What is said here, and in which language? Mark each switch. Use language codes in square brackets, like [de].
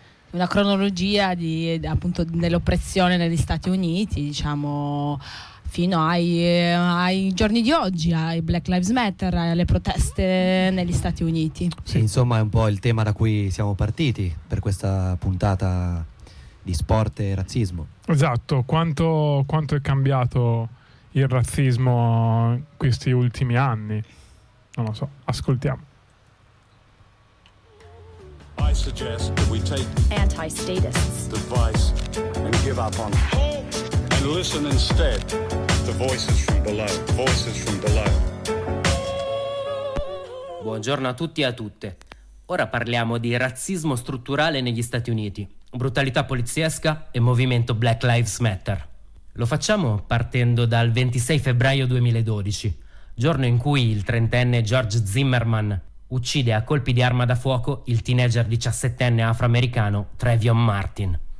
[it] una cronologia di appunto dell'oppressione negli Stati Uniti, diciamo, fino ai giorni di oggi, ai Black Lives Matter, alle proteste negli Stati Uniti. Sì, insomma, è un po' il tema da cui siamo partiti per questa puntata di sport e razzismo. Esatto, quanto è cambiato il razzismo in questi ultimi anni? Non lo so, ascoltiamo. [en] I suggest that we take anti-statists' advice and give up on hope and listen instead to voices from below, voices from below. [it] Buongiorno a tutti e a tutte. Ora parliamo di razzismo strutturale negli Stati Uniti, brutalità poliziesca e movimento Black Lives Matter. Lo facciamo partendo dal 26 febbraio 2012, giorno in cui il trentenne George Zimmerman uccide a colpi di arma da fuoco il teenager 17enne afroamericano Trayvon Martin.